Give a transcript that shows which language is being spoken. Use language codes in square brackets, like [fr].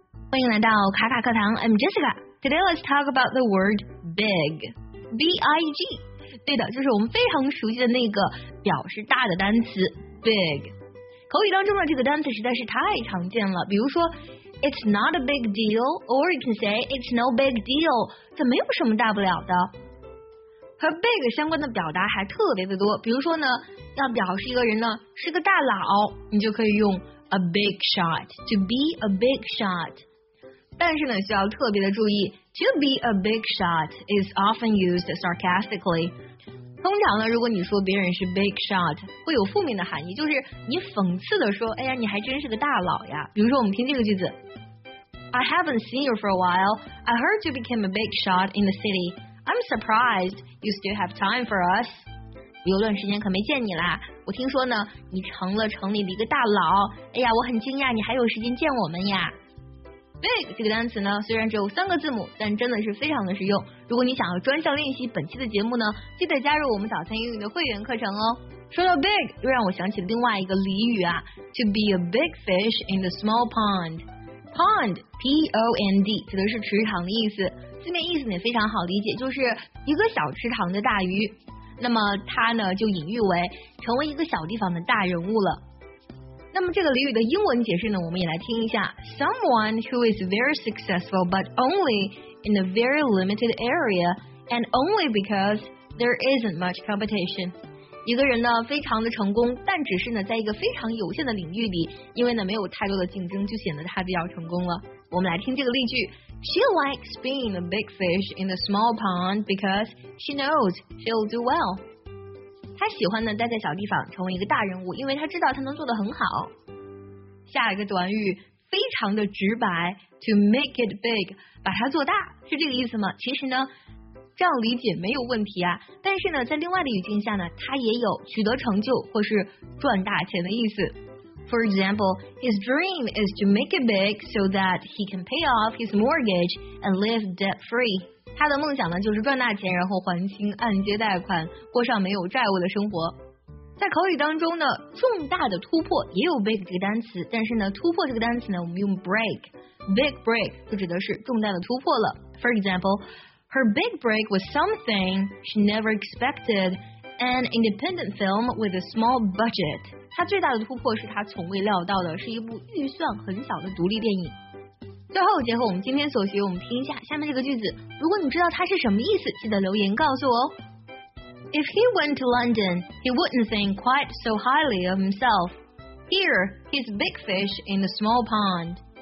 [zh] 欢迎来到卡卡课堂 [en] I'm Jessica. Today let's talk about the word big. B-I-G. [zh] 对的，就是我们非常熟悉的那个表示大的单词 big. 口语当中的这个单词实在是太常见了，比如说 [en] It's not a big deal, or you can say It's no big deal. [zh] 这没有什么大不了的。和 big 相关的表达还特别的多，比如说呢，要表示一个人呢是个大佬，你就可以用 [en] A big shot, to be a big shot. [zh] 但是呢需要特别的注意 [en] to be a big shot is often used sarcastically. [zh] 通常呢如果你说别人是 big shot, 会有负面的含义，就是你讽刺的说哎呀你还真是个大佬呀。比如说我们听这个句子 [en] I haven't seen you for a while. I heard you became a big shot in the city. I'm surprised you still have time for us. [zh] 有段时间可没见你啦，我听说呢你成了城里的一个大佬，哎呀我很惊讶你还有时间见我们呀。 Big 这个单词呢虽然只有三个字母，但真的是非常的实用。如果你想要专项练习本期的节目呢，记得加入我们早餐英语的会员课程哦。说到 big 又让我想起另外一个俚语啊， [en] To be a big fish in the small pond. [zh] Pond P-O-N-D 指的是池塘的意思，字面意思也非常好理解，就是一个小池塘的大鱼，那么它呢就隐喻为成为一个小地方的大人物了。那么这个俚语的英文解释呢，我们也来听一下。 [en] Someone who is very successful but only in a very limited area and only because there isn't much competition. [zh] 一个人呢非常的成功，但只是呢在一个非常有限的领域里，因为呢没有太多的竞争，就显得他比较成功了。我们来听这个例句。 [en] She likes being a big fish in the small pond because she knows she'll do well. [zh] 她喜欢呢待在小地方成为一个大人物，因为她知道她能做得很好。下一个短语非常的直白， [en] to make it big， [zh] 把它做大，是这个意思吗？其实呢这样理解没有问题啊，但是呢在另外的语境下呢，它也有取得成就或是赚大钱的意思。 [en] For example, his dream is to make it big so that he can pay off his mortgage and live debt-free. [zh] 他的梦想呢就是赚大钱，然后还清按揭贷款，过上没有债务的生活。在口语当中呢，重大的突破也有 big 这个单词，但是呢突破这个单词呢我们用 break. Big break 就指的是重大的突破了。 [en] For example, her big break was something she never expected, an independent film with a small budget. [zh] 他最大的突破是他从未料到的，是一部预算很小的独立电影。最后结合我们今天所学，我们听一下下面这个句子。如果你知道它是什么意思，记得留言告诉我哦。 [en] If he went to London, he wouldn't think quite so highly of himself. Here, he's big fish in the small pond.